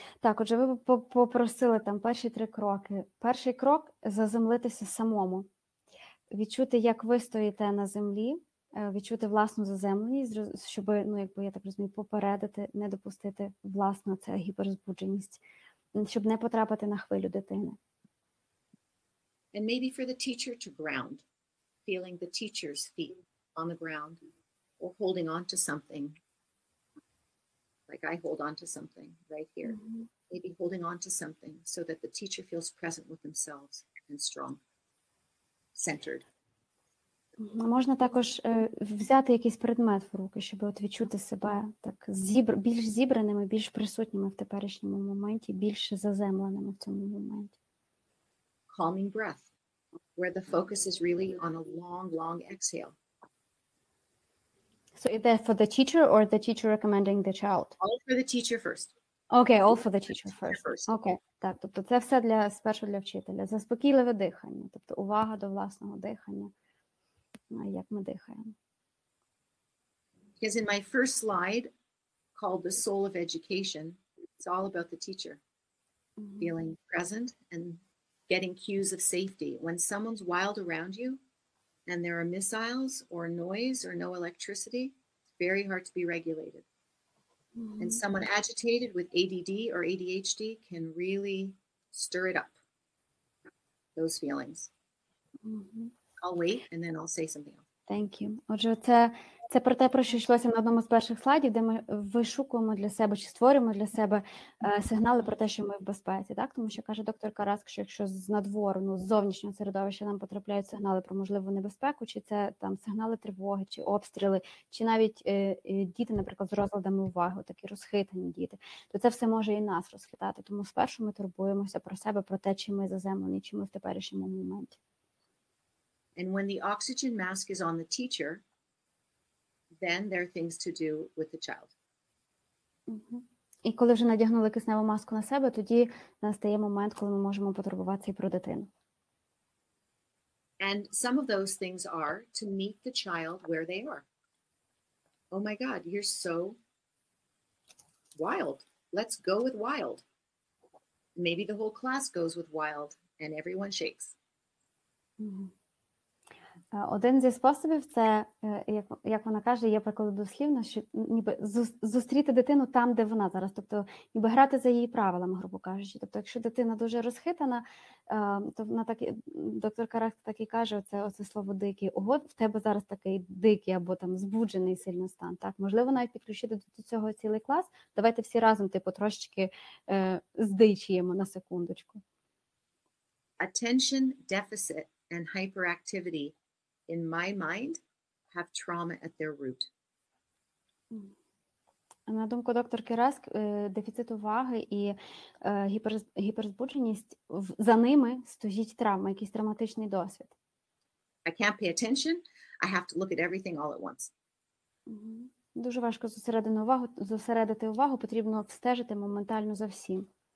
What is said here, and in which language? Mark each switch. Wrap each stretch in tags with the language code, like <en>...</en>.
<uk>Так, отже, ви попросили там перші три кроки. Перший крок – заземлитися самому. Відчути, як ви стоїте на землі, відчути власну заземленість, щоб, ну, якби, я так розумію, попередити, не допустити власну це гіперзбудженість, щоб не потрапити на хвилю дитини.</uk> <en>And maybe for the teacher to ground, feeling the teacher's feet on the ground, or holding on to something, like I hold on to something right here. Mm-hmm. Maybe holding on to something so that the teacher feels present with themselves and strong, centered.</en> <uk>Можна також взяти якийсь предмет в руки, щоб от відчути себе так більш зібраними, більш присутніми в теперішньому моменті, більш заземленими в цьому моменті.</uk> <en>Calming breath. Where the focus is really on a long, long exhale. So is that for the teacher or the teacher recommending the child? All for the teacher first. Okay, all for the teacher first. Okay.</en> <uk>Так, тобто це все для спершу для вчителя. Заспокійливе дихання, тобто увага до власного дихання, як ми дихаємо.</uk> <en>Because in my first slide, called the soul of education, it's all about the teacher. Mm-hmm. Feeling present and getting cues of safety. When someone's wild around you and there are missiles or noise or no electricity, it's very hard to be regulated. Mm-hmm. And someone agitated with ADD or ADHD can really stir it up, those feelings. Mm-hmm. I'll wait and then I'll say something else. Thank you.</en> <uk>Отже, це про те, про що йшлося на одному з перших слайдів, де ми вишукуємо для себе чи створюємо для себе сигнали про те, що ми в безпеці, так? Тому що каже доктор Караск, що якщо з надвору, ну, з зовнішнього середовища нам потрапляють сигнали про можливу небезпеку, чи це там сигнали тривоги, чи обстріли, чи навіть діти, наприклад, з розладами уваги, такі розхитані діти, то це все може і нас розхитати. Тому спершу ми турбуємося про себе, про те, чи ми заземлені, чи ми в теперішньому моменті.</uk> <en>And when the oxygen mask is on the teacher, then there are things to do with the child.</en> <uk>І коли вже надягнули кисневу маску на себе, тоді настає момент, коли ми можемо потурбуватися про дитину.</uk> <en>And some of those things are to meet the child where they are. Oh my God, you're so wild. Let's go with wild. Maybe the whole class goes with wild and everyone shakes.</en> <uk>Один зі способів – це, як вона каже, є приклад дослівно, що ніби зустріти дитину там, де вона зараз. Тобто, ніби грати за її правилами, грубо кажучи. Тобто, якщо дитина дуже розхитана, то вона так, доктор Карах так і каже, оце слово «дикий». Ого, в тебе зараз такий дикий або там збуджений сильний стан. Так, можливо, навіть підключити до цього цілий клас. Давайте всі разом, типу, трошечки здичаємо на секундочку.</uk> <en>Attention deficit and hyperactivity in my mind, have trauma at their root.</en> <uk>На думку доктор Кераск, дефіцит уваги і гіперзбудженість, за ними стоїть травма, якийсь травматичний досвід.</uk> <en>I can't pay attention. I have to look at everything all at once.</en> <uk>Дуже важко зосередити увагу, потрібно встежити моментально за всім.</uk>